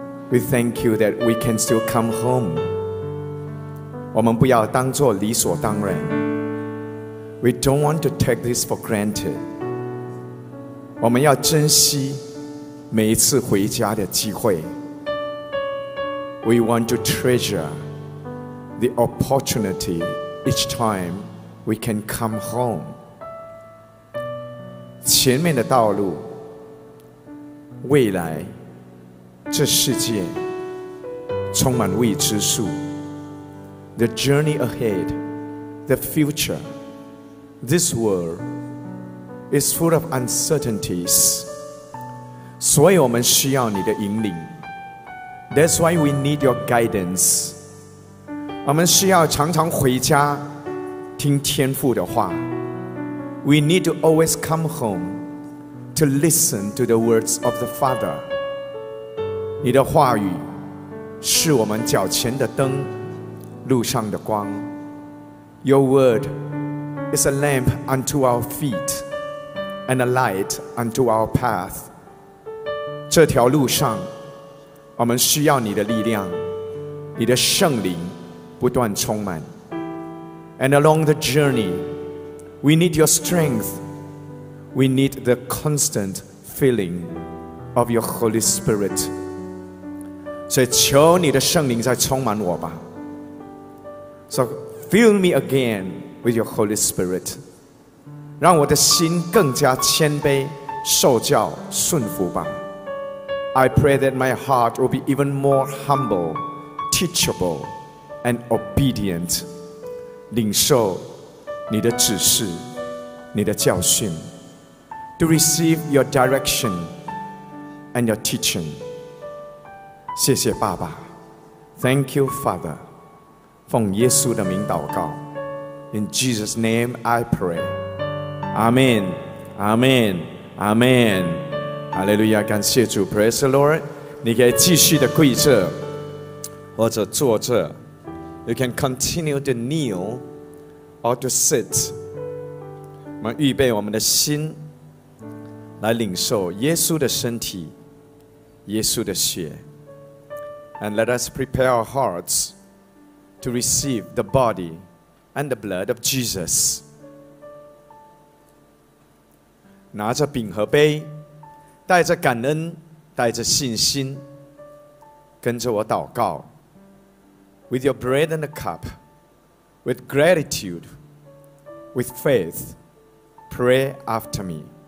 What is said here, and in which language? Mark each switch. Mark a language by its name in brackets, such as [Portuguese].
[English] We thank you that we can still come home。 [Chinese] 我们不要当作理所当然。 [English] We don't want to take this for granted。 [Chinese] 我们要珍惜每一次回家的机会。 [English] We want to treasure the opportunity each time we can come home。 [Chinese] 前面的道路，未来，这世界充满未知数。 [English] The journey ahead, the future, this world is full of uncertainties. [Chinese] 所以我们需要你的引领。 [English] That's why we need your guidance. [Chinese] 我们需要常常回家听天父的话。 [English] We need to always come homeTo listen to the words of the Father. [Chinese] 你的话语是我们脚前的灯，路上的光。 [English] Your word is a lamp unto our feet and a light unto our path. [Chinese] 这条路上我们需要你的力量，你的圣灵不断充满。 [English] And along the journey, we need your strengthWe need the constant filling of your Holy Spirit. [Chinese] 所以求你的圣灵再充满我吧。 [English] So fill me again with your Holy Spirit. [Chinese] 让我的心更加谦卑，受教，顺服吧。 [English] I pray that my heart will be even more humble, teachable, and obedient. [Chinese] 领受你的指示，你的教训。 [English] To receive your direction and your teaching. [Chinese] 谢谢爸爸。 [English] Thank you, Father. [Chinese] 奉耶稣的名祷告。 [English] In Jesus' name I pray. Amen. Amen. Amen. Hallelujah. [Chinese] 感谢主。 [English] Praise the Lord. [Chinese] 你可以继续的跪着或者坐着。 [English] You can continue to kneel or to sit. [Chinese] 我们预备我们的心来领受耶稣的身体，耶稣的血。 [English] And let us prepare our hearts to receive the body and the blood of Jesus. [Chinese] 拿着饼和杯，带着感恩，带着信心，跟着我祷告。 [English] With your bread and a cup, with gratitude, with faith, pray after me.